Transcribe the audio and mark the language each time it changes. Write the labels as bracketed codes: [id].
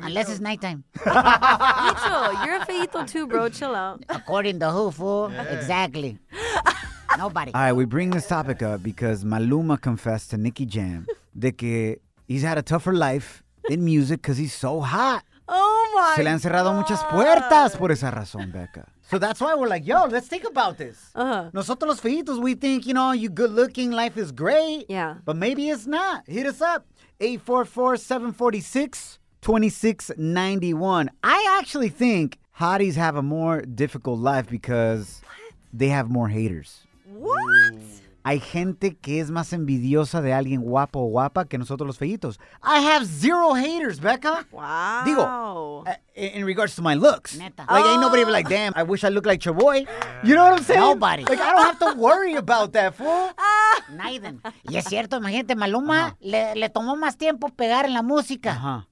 [en] unless it's nighttime. Micho, you're a feyito too, bro. Chill out. According to who, fool? Yeah. Exactly. Nobody. All right, we bring this topic up because Maluma confessed to Nicky Jam [es] de que [en] he's had a tougher life than music because he's so hot. [es] Se le han cerrado muchas puertas por esa razón, Becca. [en] So that's why we're like, yo, let's think about this. Uh-huh. [es] Nosotros los feitos, [en] we think, you know, you good looking, life is great. Yeah. But maybe it's not. Hit us up. 844-746-2691. I actually think hotties have a more difficult life because they have more haters. What? [es] Hay gente que es más envidiosa de alguien guapo o guapa que nosotros los feitos. [en] I have zero haters, Becca. Wow. [es] Digo, [en] in regards to my looks. [es] Neta. [en] Like, ain't nobody be like, damn, I wish I looked like your boy. You know what I'm saying? Nobody. Like, I don't have to worry about that, fool. [es] Naiden. Y es cierto, imagínate, Maluma le tomó más tiempo pegar en la música.